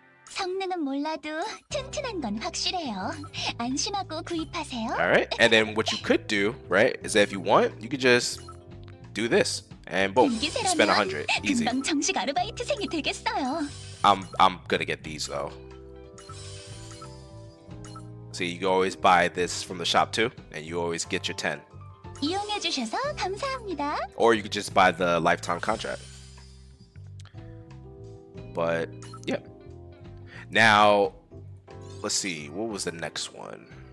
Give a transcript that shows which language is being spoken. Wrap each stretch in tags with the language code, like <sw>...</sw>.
<ko>성능은 몰라도 튼튼한 건 확실해요. 안심하고 구입하세요.</ko> <en>All right. And then what you could do, right, is that if you want, you could just do this. And boom, spend 100. Easy.</en> <ko>금방 정식 아르바이트생이 되겠어요.</ko> <en>I'm gonna get these though. So you always buy this from the shop too, and you always get your 10.</en> <ko>이용해 주셔서 감사합니다.</ko> <en>Or you could just buy the lifetime contract. But yeah. Now, let's see. What was the next one?</en>